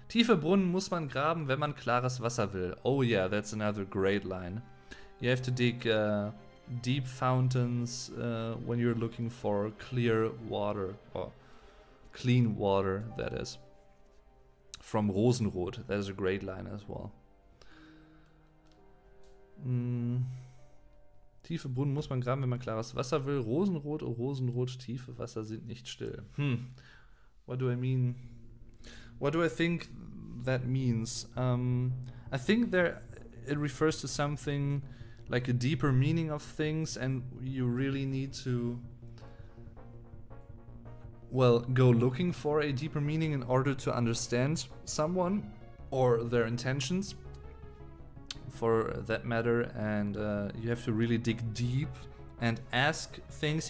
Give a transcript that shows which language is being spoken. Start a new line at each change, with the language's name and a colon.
German: Tiefe Brunnen muss man graben, wenn man klares Wasser will.
English: Oh yeah, that's another great line. You have to dig deep fountains when you're looking for clear water. Or clean water, that is. From Rosenrot. That is a great line as well.
German: Tiefe Brunnen muss man graben, wenn man klares Wasser will. Rosenrot, oh Rosenrot, tiefe Wasser sind nicht still.
English: What do I mean? What do I think that means? I think there it refers to something like a deeper meaning of things, and you really need to, well, go looking for a deeper meaning in order to understand someone or their intentions, for that matter, and you have to really dig deep and ask things.